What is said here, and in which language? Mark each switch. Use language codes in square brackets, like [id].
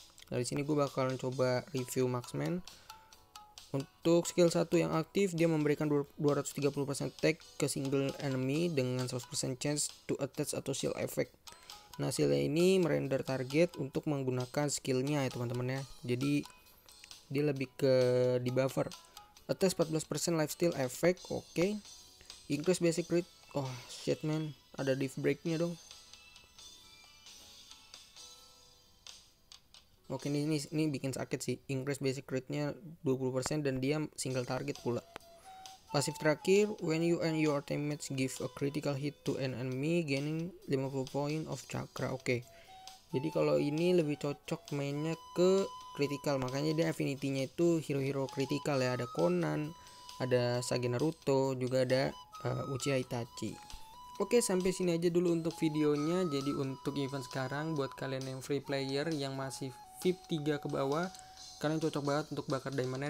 [id] Dari sini gue bakalan coba review Marksman. Untuk skill 1 yang aktif, dia memberikan 230% attack ke single enemy dengan 100% [en] chance to attach [id] atau shield effect. Nah, hasilnya ini merender target untuk menggunakan skillnya ya, teman-teman ya. Jadi dia lebih ke debuffer. [en] Attach 14% lifesteal effect, [id] oke. [en] Increase basic crit. Oh shit man, [id] ada div breaknya dong. Oke, ini bikin sakit sih. Increase basic crit-nya 20% dan dia single target pula. Pasif terakhir, [en] when you and your teammates give a critical hit to an enemy, gaining 50 point of chakra. [id] Oke. Jadi kalau ini lebih cocok mainnya ke critical, makanya dia affinity-nya itu hero-hero critical ya. Ada Conan, ada Sage Naruto, juga ada Uchiha Itachi. Oke, sampai sini aja dulu untuk videonya. Jadi untuk event sekarang, buat kalian yang free player yang masih VIP 3 ke bawah, kalian cocok banget untuk bakar diamondnya.